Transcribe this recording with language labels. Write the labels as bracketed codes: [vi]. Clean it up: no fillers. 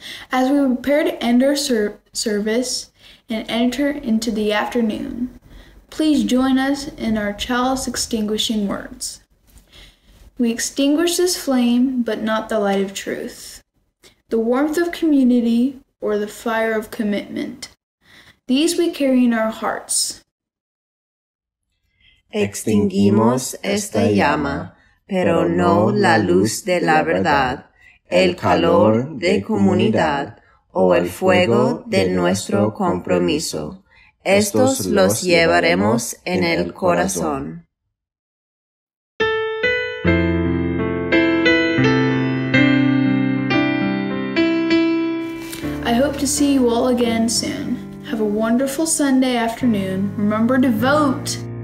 [en] As we prepare to end our service and enter into the afternoon, please join us in our chalice extinguishing words. We extinguish this flame, but not the light of truth, the warmth of community, or the fire of commitment. These we carry in our hearts. [es] Extinguimos esta llama, pero no la luz de la verdad, el calor de comunidad o el fuego de nuestro compromiso. Estos los llevaremos en el corazón. [en] I hope to see you all again soon. Have a wonderful Sunday afternoon. Remember to vote!